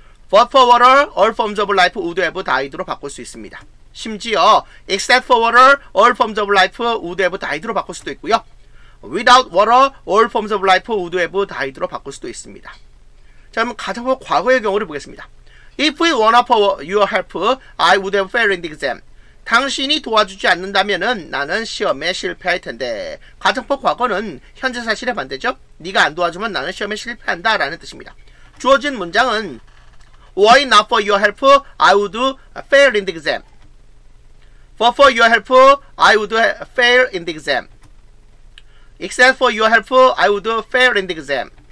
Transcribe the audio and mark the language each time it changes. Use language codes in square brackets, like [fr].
[en] But for water, all forms of life would have died로 [ko] 바꿀 수 있습니다. 심지어 [en] Except for water, all forms of life would have died로 [ko] 바꿀 수도 있고요. [en] Without water, all forms of life would have died로 [ko] 바꿀 수도 있습니다. 자, 그럼 가정법 과거의 경우를 보겠습니다. [en] If it weren't for your help, I would have failed in the exam. [ko] 당신이 도와주지 않는다면 나는 시험에 실패할 텐데. 가정법 과거는 현재 사실에 반대죠. 네가 안 도와주면 나는 시험에 실패한다 라는 뜻입니다. 주어진 문장은 [en] Why not for your help, I would fail in the exam. But for your help, I would fail in the exam. Except for your help, I would fail in the exam.